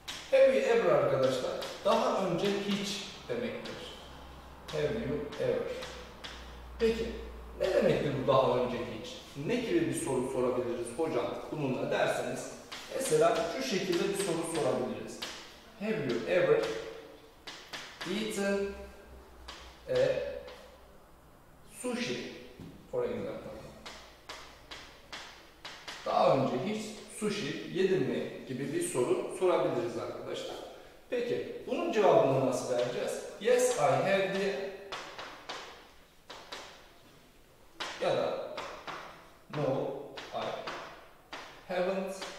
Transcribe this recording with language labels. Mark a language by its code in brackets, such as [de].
[en] Have you ever [tr] arkadaşlar, daha önce hiç demektir. Have you ever? Peki, ne demektir bu daha önce hiç? Ne gibi bir soru sorabiliriz hocam bununla derseniz? Mesela şu şekilde bir soru sorabiliriz. [en] Have you ever eaten a sushi? For example. [tr] Daha önce hiç sushi yedin mi gibi bir soru sorabiliriz arkadaşlar. Peki, bunun cevabını nasıl vereceğiz? [en] Yes, I have [tr] diye. [en] Ya da no, I haven't.